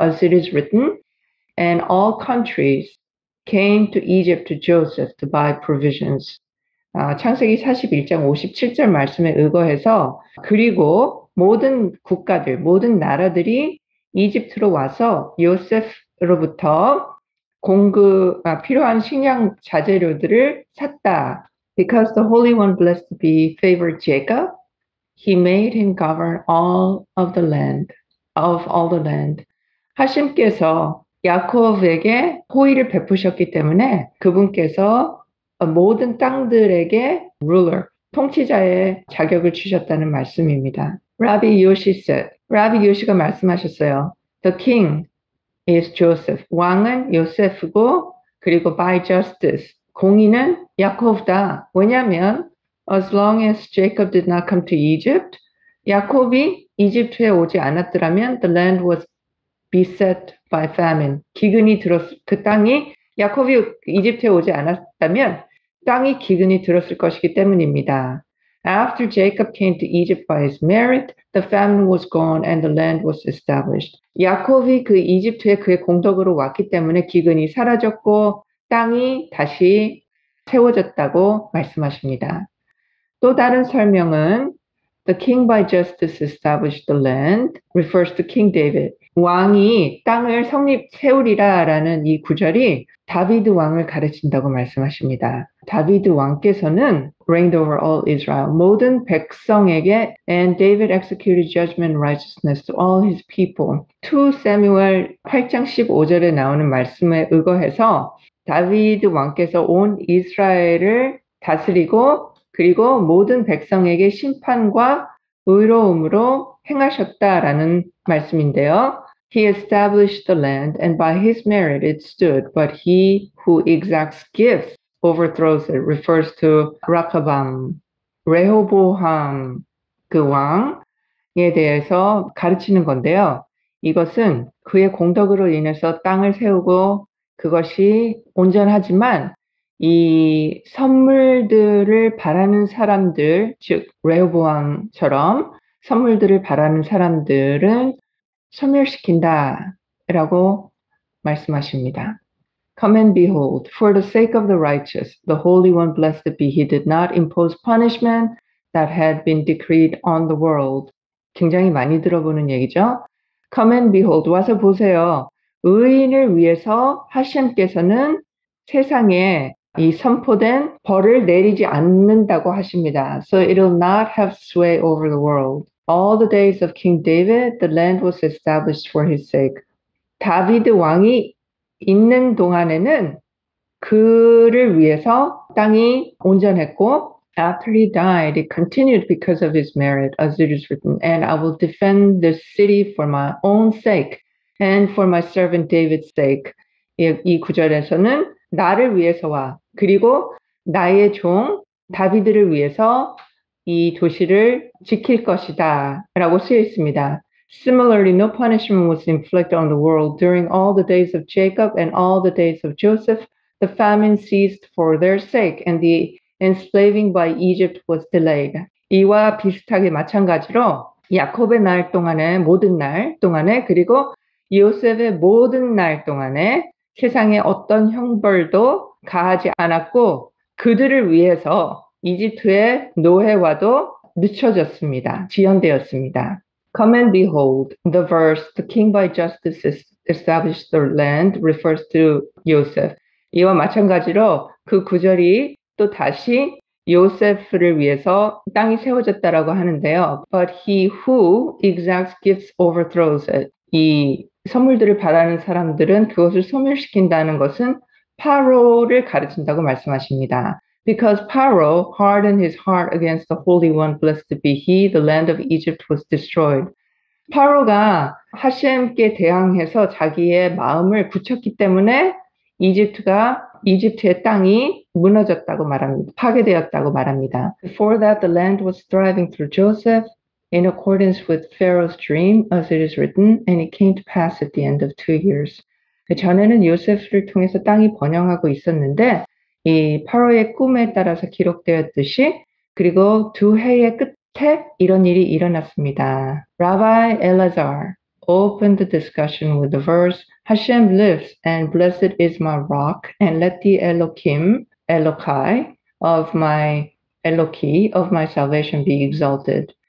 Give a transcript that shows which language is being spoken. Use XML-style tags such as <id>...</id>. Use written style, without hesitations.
<en>As it is written, and all countries came to Egypt to Joseph to buy provisions.</en> <ko>창세기 41장 57절 말씀에 의거해서 그리고 모든 국가들, 모든 나라들이 이집트로 와서 요셉으로부터 필요한 식량 자재료들을 샀다.</ko> <en>Because the Holy One blessed be favored Jacob, he made him govern all of the land, of all the land.</en> <ko>하심께서 야곱에게 호의를 베푸셨기 때문에 그분께서 모든 땅들에게 ruler, 통치자의 자격을 주셨다는 말씀입니다.</ko> <en>Rabbi Yoshi said,</en> <ko>Rabbi Yoshi가 말씀하셨어요.</ko> <en>The king is Joseph.</en> <ko>왕은 요셉이고, 그리고</ko> <en>by justice,</en> <ko>공의는 야곱이다. 왜냐하면,</ko> <en>as long as Jacob did not come to Egypt,</en> <ko>야곱이 이집트에 오지 않았더라면,</ko> <en>the land was beset by famine.</en> <ko>기근이 들었, 그 땅이, 야곱이 이집트에 오지 않았다면, 땅이 기근이 들었을 것이기 때문입니다.</ko> <en>After Jacob came to Egypt by his merit, the famine was gone and the land was established.</en> <ko>야곱이 그 이집트에 그의 공덕으로 왔기 때문에 기근이 사라졌고 땅이 다시 세워졌다고 말씀하십니다. 또 다른 설명은</ko> <en>The king by justice established the land refers to King David.</en> <ko>왕이 땅을 성립 세우리라 라는 이 구절이 다비드 왕을 가르친다고 말씀하십니다. 다비드 왕께서는</ko> <en>reigned over all Israel,</en> <ko>모든 백성에게</ko> <en>and David executed judgment and righteousness to all his people.</en> <ko>2 Samuel 8장 15절에 나오는 말씀에 의거해서 다비드 왕께서 온 이스라엘을 다스리고 그리고 모든 백성에게 심판과 의로움으로 행하셨다라는 말씀인데요.</ko> <en>He established the land and by his merit it stood, but he who exacts gifts overthrows it refers to Rehoboam.</en> <ko>레호보함 그 왕에 대해서 가르치는 건데요. 이것은 그의 공덕으로 인해서 땅을 세우고 그것이 온전하지만 이 선물들을 바라는 사람들, 즉 레호보암처럼 선물들을 바라는 사람들은 소멸시킨다라고 말씀하십니다.</ko> <en>Come and behold, for the sake of the righteous, the Holy One blessed be, he did not impose punishment that had been decreed on the world.</en> <ko>굉장히 많이 들어보는 얘기죠.</ko> <en>Come and behold,</en> <ko>와서 보세요. 의인을 위해서 하시님께서는 세상에 이 선포된 벌을 내리지 않는다고 하십니다.</ko> <en>So it'll not have sway over the world. All the days of King David, the land was established for his sake.</en> <ko>다비드 왕이 있는 동안에는 그를 위해서 땅이 온전했고</ko> <en>After he died, it continued because of his merit, as it is written, and I will defend this city for my own sake. And for my servant David's sake,</en> <ko>이 구절에서는 나를 위해서와 그리고 나의 종 다비드를 위해서 이 도시를 지킬 것이다 라고 쓰여 있습니다.</ko> <en>Similarly, no punishment was inflicted on the world during all the days of Jacob and all the days of Joseph. The famine ceased for their sake and the enslaving by Egypt was delayed.</en> <ko>이와 비슷하게 마찬가지로 야곱의 날 동안에 모든 날 동안에 그리고 요셉의 모든 날 동안에 세상에 어떤 형벌도 가하지 않았고 그들을 위해서 이집트의 노예화도 늦춰졌습니다. 지연되었습니다.</ko> <en>Come and behold the verse The king by justice established the land refers to Joseph.</en> <ko>이와 마찬가지로 그 구절이 또 다시 요셉을 위해서 땅이 세워졌다라고 하는데요.</ko> <en>But he who exacts gifts overthrows it.</en> <ko>이 선물들을 바라는 사람들은 그것을 소멸시킨다는 것은 파로를 가르친다고 말씀하십니다.</ko> <en>Because Pharaoh hardened his heart against the Holy One, blessed be he, the land of Egypt was destroyed.</en> <ko>파로가 하셈께 대항해서 자기의 마음을 굳혔기 때문에 이집트의 땅이 무너졌다고 말합니다. 파괴되었다고 말합니다.</ko> <en>Before that, the land was thriving through Joseph. In accordance with Pharaoh's dream, as it is written, and it came to pass at the end of 2 years.</en> <ko>그 전에는 요셉을 통해서 땅이 번영하고 있었는데, 이 파로의 꿈에 따라서 기록되었듯이, 그리고 두 해의 끝에 이런 일이 일어났습니다.</ko> <en>Rabbi Elazar opened the discussion with the verse, Hashem lives, and blessed is my rock, and let the Elohim, Elokai, of my Eloki, of my salvation be exalted.</en>